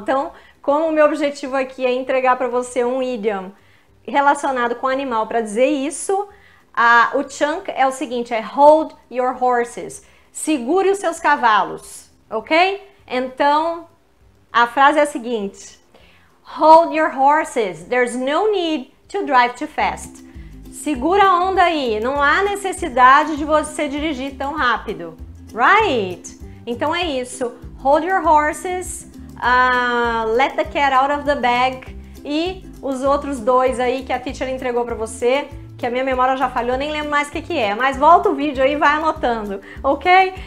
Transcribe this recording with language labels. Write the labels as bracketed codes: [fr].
[pt] Então, como o meu objetivo aqui é entregar para você um idiom relacionado com animal para dizer isso, o chunk é o seguinte, é [en] hold your horses. [pt] Segure os seus cavalos, ok? Então, a frase é a seguinte. [en] Hold your horses. There's no need to drive too fast. [pt] Segura a onda aí, não há necessidade de você dirigir tão rápido, right? Então é isso, [en] hold your horses, let the cat out of the bag [pt] e os outros dois aí que a teacher entregou pra você, que a minha memória já falhou, nem lembro mais o que é, mas volta o vídeo aí e vai anotando, ok?